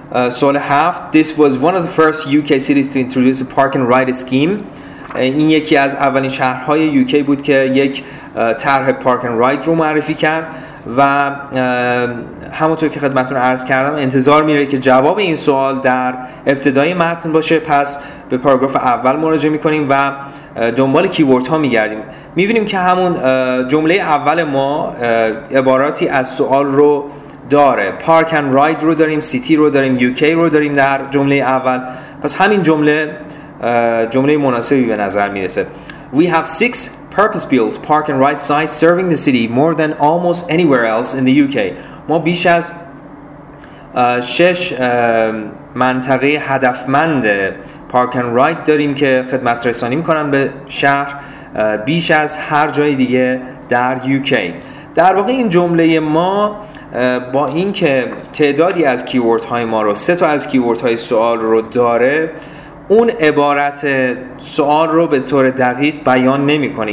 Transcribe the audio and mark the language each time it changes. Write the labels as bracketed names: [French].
[English] سوال 7: This was one of the first UK cities to introduce a park and ride scheme. [Persian] این یکی از اولین شهرهای UK بود که یک طرح پارک اند راید رو معرفی کرد و همونطور که خدمتتون عرض کردم انتظار میره که جواب این سوال در ابتدای متن باشه. پس به پاراگراف اول مراجعه میکنیم و دنبال کیورد ها میگردیم. میبینیم که همون جمله اول ما عباراتی از سوال رو داره. پارک اند راید رو داریم، سیتی رو داریم، UK رو داریم در جمله اول. پس همین جمله مناسبی به نظر میرسه. [English] We have 6 purpose-built park and ride sites serving the city more than almost anywhere else in the UK. [Persian] ما بیش از 6 منطقه هدفمند پارک اند راید داریم که خدمت رسانی میکنن به شهر بیش از هر جای دیگه در UK. در واقع این جمله ما با این که تعدادی از کیورد های ما رو 3 تا از کیورد های سوال رو داره اون عبارت سوال رو به طور دقیق بیان نمی کنه.